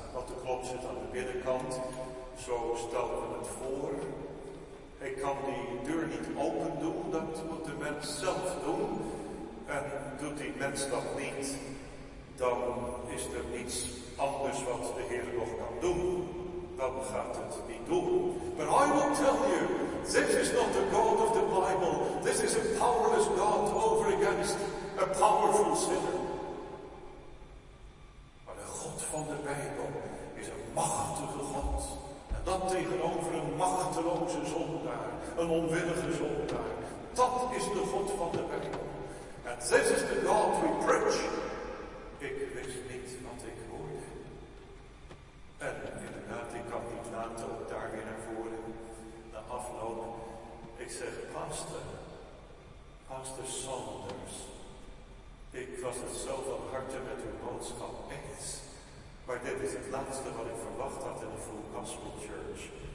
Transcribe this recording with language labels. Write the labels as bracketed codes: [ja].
[nl] Want de klop zit aan de binnenkant. Zo stelden we het voor. Hij kan die deur niet open doen. Dat moet de mens zelf doen. En doet die mens dat niet, dan is er niets anders wat de Heer nog kan doen. Dan gaat het niet doen. [en] But I will tell you, this is not the God of the Bible. This is a powerless God over against a powerful sinner. [nl] Maar de God van de Bijbel is een machtige God. En dat tegenover een machteloze zondaar, een onwillige zondaar. Dat is de God van de Bijbel. [en] And this is the God we preach. [nl] Ik wist niet wat ik hoorde. En inderdaad, ik kan niet laten om daar weer naar voren. Na afloop, ik zeg, Pastor Saunders. Ik was het zo van harte met uw boodschap eens. Maar dit is het laatste wat ik verwacht had in de Full Gospel Church.